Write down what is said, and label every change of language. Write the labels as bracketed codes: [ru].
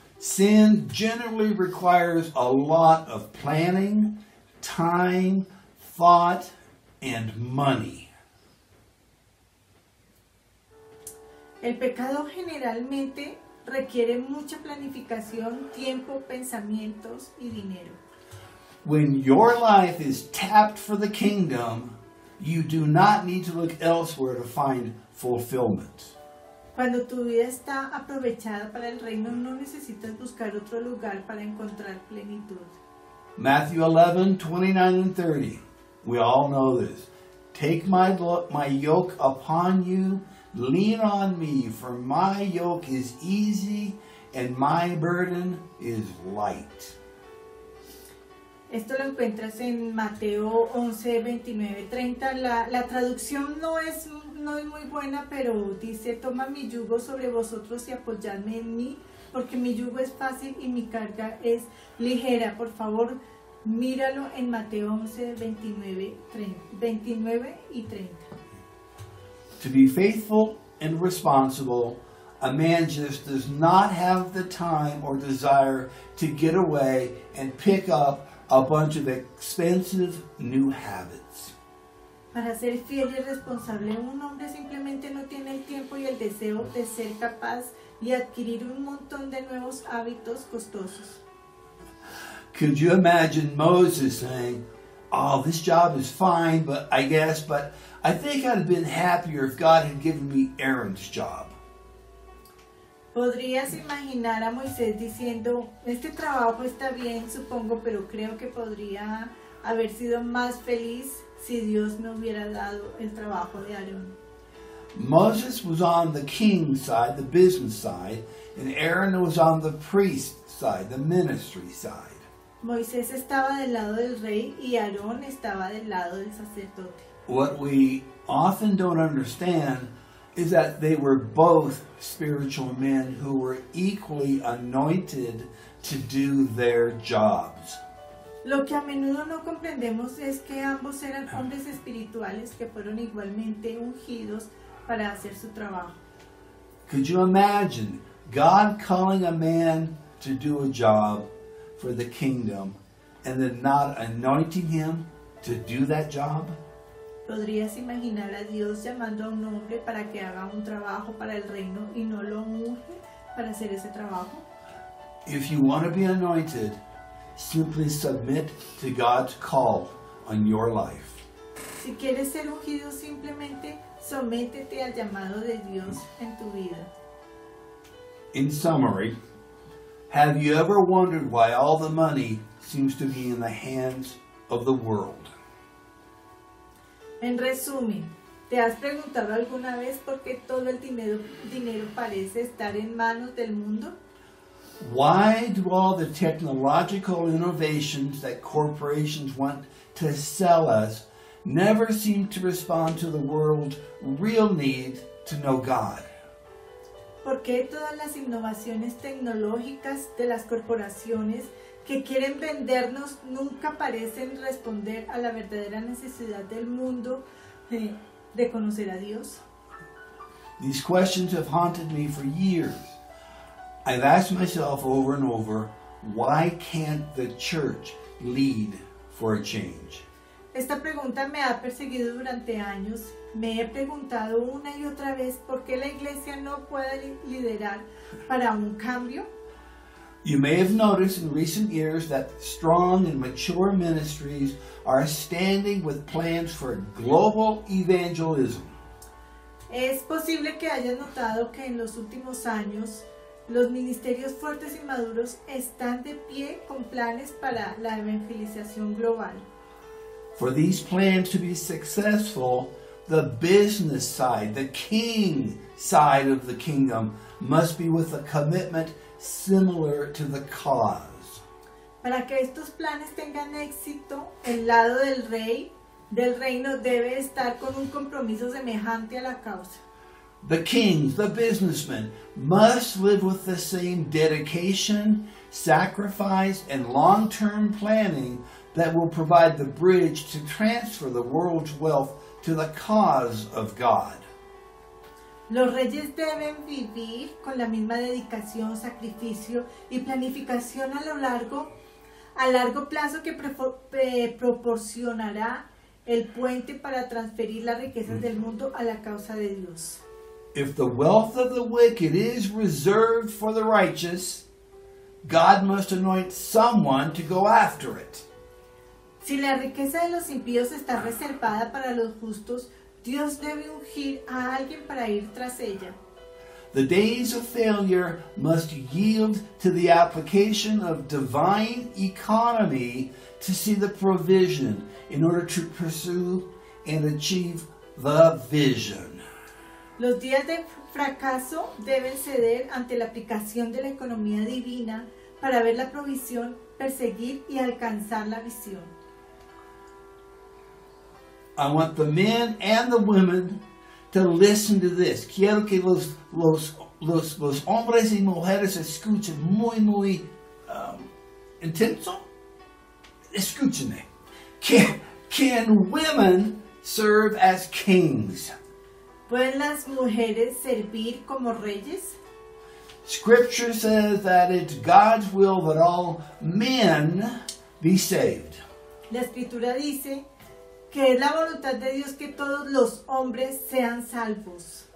[en] Sin generally requires a lot of planning, time, thought, and money. [es] El pecado generalmente requiere mucha planificación, tiempo, pensamientos y dinero. [en] When your life is tapped for the kingdom, you do not need to look elsewhere to find fulfillment. [es] Cuando tu vida está aprovechada para el reino, no necesitas buscar otro lugar para encontrar plenitud. [en] Matthew 11, 29 and 30. We all know this. Take my yoke upon you, lean on me, for my yoke is easy and my burden is light. [es] Esto lo encuentras en Mateo 11, 29, 30. La traducción no es muy buena, pero dice, toma mi yugo sobre vosotros y apoyadme en mí, porque mi yugo es fácil y mi carga es ligera. Por favor, míralo en Mateo 11, 29 y 30. [en] To be faithful and responsible, a man just does not have the time or desire to get away and pick up a bunch of expensive new habits. [es] Para ser fiel y responsable, un hombre simplemente no tiene el tiempo y el deseo de ser capaz y adquirir un montón de nuevos hábitos costosos. [en] Could you imagine Moses saying, oh, this job is fine, but I think I'd have been happier if God had given me Aaron's job. [es] ¿Podrías imaginar a Moisés diciendo, este trabajo está bien, supongo, pero creo que podría haber sido más feliz si Dios me hubiera dado el trabajo de Aarón? [en] Moses was on the king's side, the business side, and Aaron was on the priest's side, the ministry side. [es] Moisés estaba del lado del rey y Aarón estaba del lado del sacerdote. [en] What we often don't understand is that they were both spiritual men who were equally anointed to do their jobs. [es] Lo que a menudo no comprendemos es que ambos eran hombres espirituales que fueron igualmente ungidos para hacer su trabajo. [en] Could you imagine God calling a man to do a job for the kingdom and then not anointing him to do that job? [es] ¿Podrías imaginar a Dios llamando a un hombre para que haga un trabajo para el reino y no lo unge para hacer ese trabajo? [en] If you want to be anointed, simply submit to God's call on your life. [es] Si quieres ser ungido, simplemente sométete al llamado de Dios en tu vida. [en] In summary, have you ever wondered why all the money seems to be in the hands of the world? [es] En resumen, ¿te has preguntado alguna vez por qué todo el dinero parece estar en manos del mundo? [en] Why do all the technological innovations that corporations want to sell us never seem to respond to the world's real need to know God? [es] ¿Por qué todas las innovaciones tecnológicas de las corporaciones que quieren vendernos nunca parecen responder a la verdadera necesidad del mundo de conocer a Dios? [en] These questions have haunted me for years. I've asked myself over and over, why can't the church lead for a change? [es] Esta pregunta me ha perseguido durante años. Me he preguntado una y otra vez por qué la iglesia no puede liderar para un cambio. [en] You may have noticed in recent years that strong and mature ministries are standing with plans for global evangelism. [es] Es posible que hayas notado que en los últimos años los ministerios fuertes y maduros están de pie con planes para la evangelización global. [en] For these plans to be successful, the business side, the king side of the kingdom, must be with a commitment similar to the cause. [es] Para que estos planes tengan éxito, el lado del rey, del reino, debe estar con un compromiso semejante a la causa. [en] The kings, the businessmen, must live with the same dedication, sacrifice, and long-term planning that will provide the bridge to transfer the world's wealth to the cause of God. [es] Los reyes deben vivir con la misma dedicación, sacrificio y planificación a largo plazo que proporcionará el puente para transferir las riquezas del mundo a la causa de Dios. [en] If the wealth of the wicked is reserved for the righteous, God must anoint someone to go after it. [es] Si la riqueza de los impíos está reservada para los justos, Dios debe ungir a alguien para ir tras ella. [en] The days of failure must yield to the application of divine economy to see the provision in order to pursue and achieve the vision. [es] Los días de fracaso deben ceder ante la aplicación de la economía divina para ver la provisión, perseguir y alcanzar la visión. [en] I want the men and the women to listen to this. [es] Quiero que los hombres y mujeres escuchen muy, muy intenso. Escúchenme. [en] Can women serve as kings? [es] ¿Pueden las mujeres servir como reyes? [en] Scripture says that it's God's will that all men be saved. [es] La escritura dice que es la voluntad de Dios que todos los hombres sean salvos.